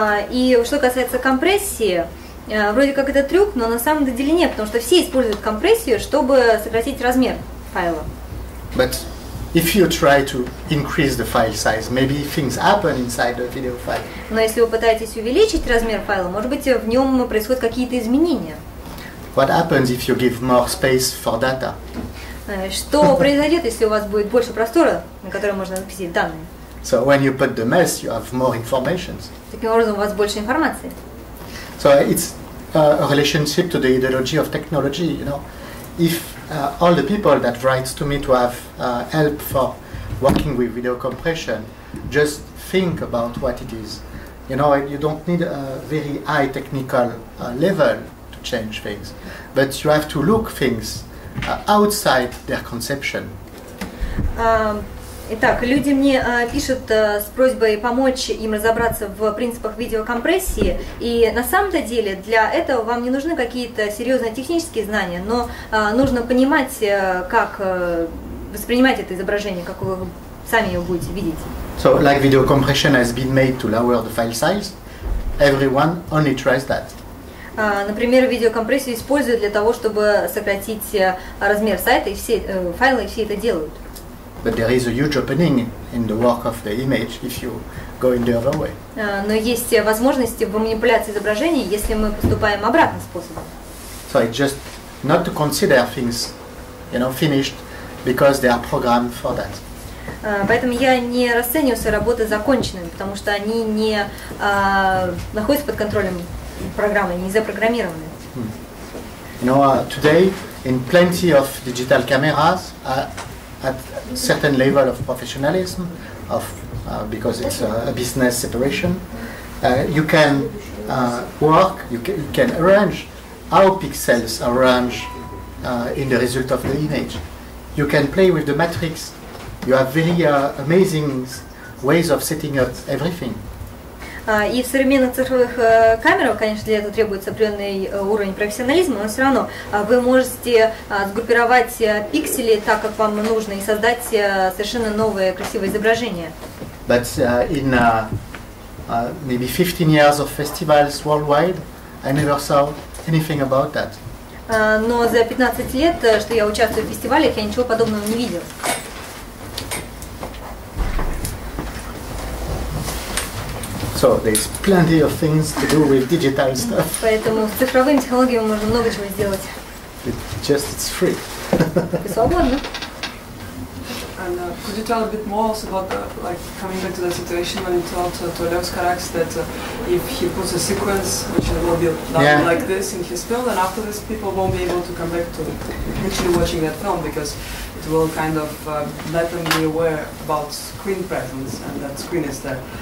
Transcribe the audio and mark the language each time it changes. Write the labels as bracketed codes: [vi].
[ru] И что касается компрессии, вроде как это трюк, но на самом деле нет, потому что все используют компрессию, чтобы сократить размер файла. [en] But if you try to increase the file size, maybe things happen inside the video file. [ru] Но если вы пытаетесь увеличить размер файла, может быть, в нем происходят какие-то изменения. [en] What happens if you give more space for data? [ru] Что произойдет, если у вас будет больше простора, на котором можно записать данные? [en] So when you put the mess, you have more information. [ru] Таким образом, у вас больше информации. [en] So it's a relationship to the ideology of technology, you know. If all the people that write to me to have help for working with video compression, just think about what it is. You know, you don't need a very high technical level to change things, but you have to look things outside their conception. [ru] Итак, люди мне пишут с просьбой помочь им разобраться в принципах видеокомпрессии, и на самом-то деле для этого вам не нужны какие-то серьезные технические знания, но нужно понимать, как воспринимать это изображение, как вы сами его будете видеть. [en] So, like video compression has been made to lower the file size, everyone only tries that. [ru] Например, видеокомпрессию используют для того, чтобы сократить размер сайта, и все файлы все это делают. [en] But there is a huge opening in the work of the image if you go in the other way. [ru] Но есть возможности в манипуляции изображения, если мы поступаем обратным способом. [en] So it's just not to consider things, you know, finished, because they are programmed for that. [ru] Поэтому я не расцениваю свои работы законченными, потому что они не находятся под контролем программы, не запрограммированы. [en] You know, today in plenty of digital cameras at certain level of professionalism, of because it's a business separation, you can work, you can arrange how pixels arrange in the result of the image. You can play with the matrix. You have very amazing ways of setting up everything. [ru] И в современных цифровых камерах, конечно, для этого требуется определенный уровень профессионализма, но все равно вы можете сгруппировать пиксели так, как вам нужно, и создать совершенно новое красивое изображение. [en] But in maybe 15 years of festivals worldwide, I never saw anything about that. [ru] Но за 15 лет, что я участвую в фестивалях, я ничего подобного не видел. [en] So there's plenty of things to do with digital stuff. [ru] Поэтому с цифровыми технологиями можно много чего сделать. [en] It's free. [ru] Свободно. [en] And could you tell a bit more also about the, like coming back to the situation when you told to Lev Skarax that if he puts a sequence which will be like this in his film, then after this people won't be able to come back to actually watching that film because it will kind of let them be aware about screen presence and that screen is there.